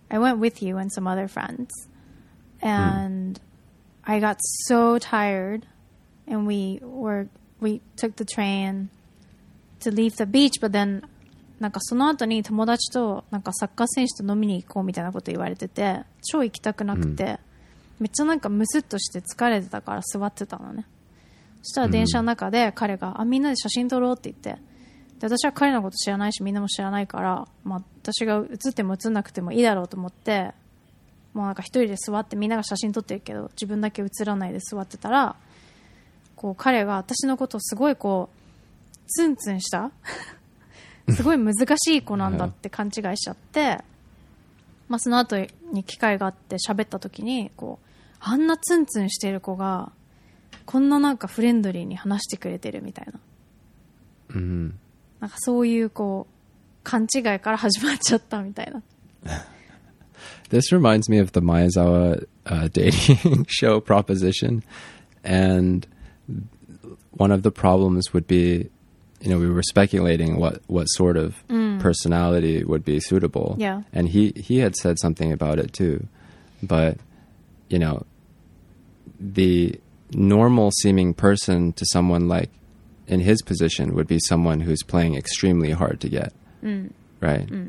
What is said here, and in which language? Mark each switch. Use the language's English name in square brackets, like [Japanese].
[English] I went with you and some other friends. And I got so tired. And we took the train to leave the beach. But then, [Japanese] なんかその後に友達となんかサッカー選手と飲みに行こうみたいなこと言われてて、超行きたくなくて。めっちゃなんかムスッとして疲れてたから座ってたのね。そしたら電車の中で彼が、あ、みんなで写真撮ろうって言って、で私は彼のこと知らないしみんなも知らないから、まあ私が写っても写んなくてもいいだろうと思って、もうなんか一人で座ってみんなが写真撮ってるけど自分だけ写らないで座ってたら、こう彼が私のことをすごいこうツンツンしたすごい難しい子なんだって勘違いしちゃって、まあ、その後に機会があって喋った時に、こうあんなツンツンしてる子がこんななんかフレンドリーに話してくれてるみたいな、なんかそういうこう勘違いから始まっちゃったみたいな。 [English] This reminds me of the Maezawa dating show Proposition, and one of the problems would be, you know, we were speculating what sort of personality would be suitable. Yeah. And he had said something about it too. But, you know, the normal seeming person to someone like in his position would be someone who's playing extremely hard to get. Right?